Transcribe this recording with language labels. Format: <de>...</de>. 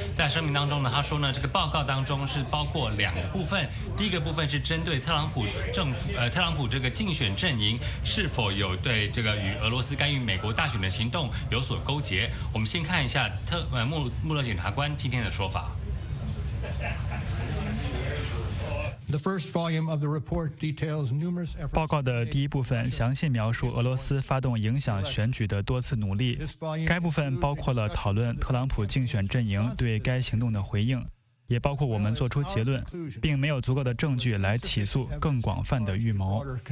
<zh>在声明当中呢，他说呢，这个报告当中是包括两个部分，第一个部分是针对特朗普政府，特朗普这个竞选阵营是否有对这个与俄罗斯干预美国大选的行动有所勾结。我们先看一下穆勒检察官今天的说法。</zh> <en>The first volume of the report details numerous efforts.</en> <zh>报告的第一部分详细描述俄罗斯发动影响选举的多次努力。该部分包括了讨论特朗普竞选阵营对该行动的回应，也包括我们做出结论，并没有足够的证据来起诉更广泛的预谋。</zh>